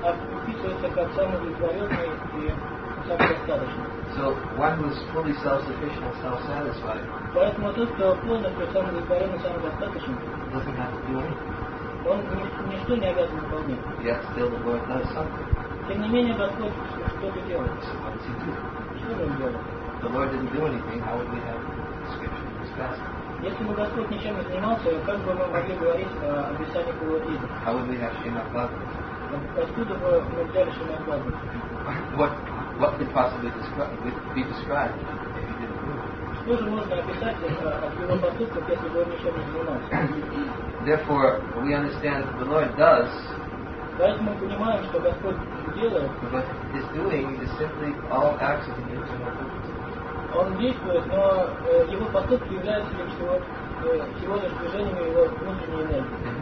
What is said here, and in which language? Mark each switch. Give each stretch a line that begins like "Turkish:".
Russian: описывается как самовлетворенный и самодостаточный.
English: So one who is fully self-sufficient and self-satisfied.
Russian: Поэтому тот, кто полностью самовлетворенный и самодостаточный,
English: doesn't have to do anything.
Russian: Он ничто не обязан выполнять.
English: Yet still the Lord does something.
Russian: Тем не менее, Господь что-то делает.
English: So what does he do?
Russian: Что он делает?
English: The Lord didn't do anything, how would we have scripture in this passage?
Russian: Если бы Господь ничем не занимался, как бы мы могли говорить о Писании Кулуадиде?
English: How would we have Шримад Бхагаватам?
Russian: Откуда бы мы взяли Шримад Бхагаватам?
English: What could possibly be described if he didn't move?
Russian: Что же можно описать от его поступков, если бы он ничем не занимался?
English: Therefore, we understand that the Lord does.
Russian: Поэтому мы понимаем, что Господь делает.
English: But his doing is simply all acts of the internal focus.
Russian: Он действует, но его поступки являются лишь его, всего лишь движением его внутренней энергии.